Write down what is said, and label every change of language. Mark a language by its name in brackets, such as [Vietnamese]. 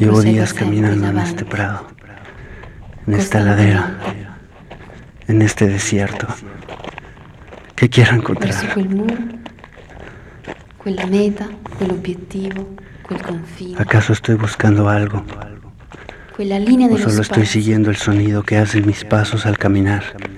[Spanish] llevo días caminando en este prado, en esta ladera, en este desierto. ¿Qué quiero encontrar? [Italian] Verso quel muro, quella meta, quell'obiettivo, quel confine. [Spanish] ¿Acaso estoy buscando algo? [Italian] Quella linea [Spanish] o solo estoy siguiendo el sonido que hacen mis pasos al caminar.